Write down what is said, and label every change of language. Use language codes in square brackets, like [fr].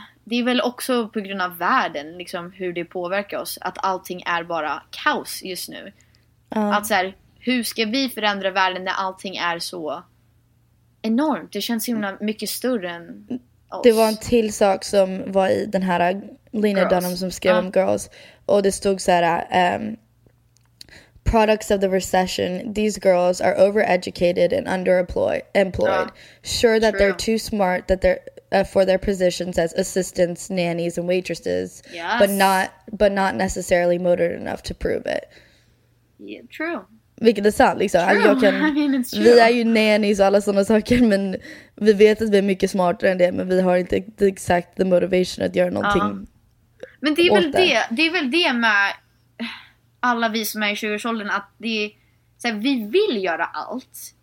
[sv] Det är väl också på grund av världen, liksom hur det påverkar oss, att allting är bara kaos just nu. Att så här, hur ska vi förändra världen när allting är så enormt? Det känns himla mycket större än oss. Det var en till sak som var i den här Lena Dunham som skrev om Girls. Och det stod så här, [en] products of the recession, these girls are overeducated and underemployed. Sure that they're too smart that they're for their positions as assistants, nannies and waitresses, but not necessarily motivated enough to prove it. Yeah, true. [sv] Vilket är sant liksom. [en] True. [sv] Jag kan, vi är ju nannies och alla sådana saker, men vi vet att vi är mycket smartare än det, men vi har inte exakt [en] the motivation [sv] att göra någonting. Men det är väl det. Det är väl det med alla vi som är i 20-årsåldern, att det är, så här, vi vill göra allt.